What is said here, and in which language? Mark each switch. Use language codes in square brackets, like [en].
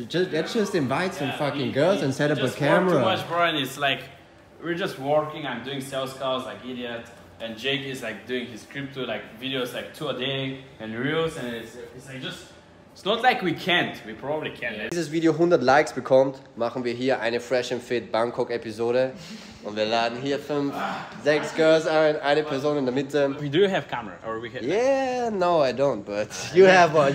[en] Let's just invite some fucking girls and set up just a camera. Work too much, bro, and it's like, we're just working, I'm doing sales calls like idiot. And Jake is like doing his crypto like videos like 2 a day and reels. And it's not like we can't, we probably can. [de] Wenn dieses Video 100 Likes bekommt, machen wir hier eine fresh and fit Bangkok Episode. Und wir laden hier 5-6 Girls ein, eine Person in der Mitte. [en] We do have camera, or we have... Yeah, no, I don't, but you have one.